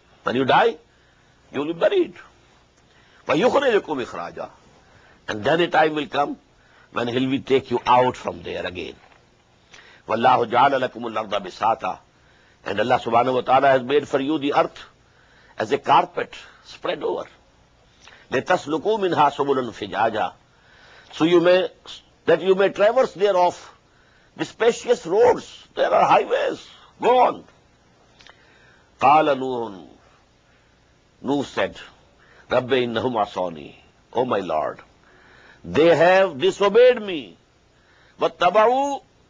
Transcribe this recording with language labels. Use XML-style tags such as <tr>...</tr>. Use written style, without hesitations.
<en>When you die, you will be buried.</en> <ar>وَيُخْرِجُكُمْ إِخْرَاجًا.</ar> <en>And then a time will come when he will take you out from there again.</en> <ar>وَاللَّهُ جَعَلَ لَكُمُ الْأَرْضَ بِسَاطًا.</ar> <en>And Allah subhanahu wa ta'ala has made for you the earth as a carpet spread over.</en> <ar>لِتَسْلُكُوا مِنْهَا سُبُلًا فِجَاجًا.</ar> <en>So you may, that you may traverse thereof the spacious roads. There are highways. Go on.</en> <ar>قَالَ نُوحٌ.</ar> <en>Nuh said,</en> <ar>رَبَّ إِنَّهُمْ عَصَانِي.</ar> <en>Oh my Lord, they have disobeyed me.</en> <ar>وَاتَّبَعُوا.</ar>